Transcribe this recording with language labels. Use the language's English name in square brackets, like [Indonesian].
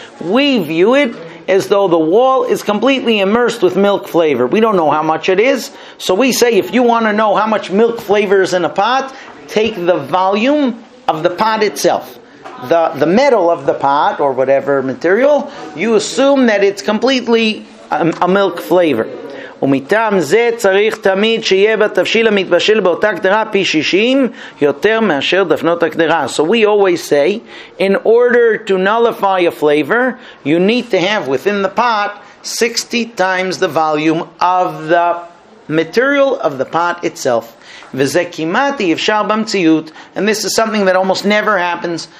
[English] We view it as though the wall is completely immersed with milk flavor. We don't know how much it is. So we say, if you want to know how much milk flavor is in a pot, take the volume of the pot itself. The metal of the pot, or whatever material, you assume that it's completely a milk flavor. [Hebrew] ומיתם זה צריך תמיד שיהיה בתפשיל המתבשל באותה קדרה פי 60 יותר מאשר דפנות הקדרה. [English] So we always say, in order to nullify a flavor, you need to have within the pot 60 times the volume of the material of the pot itself. [Hebrew] וזה כמעט אפשר במציאות, [English] and this is something that almost never happens.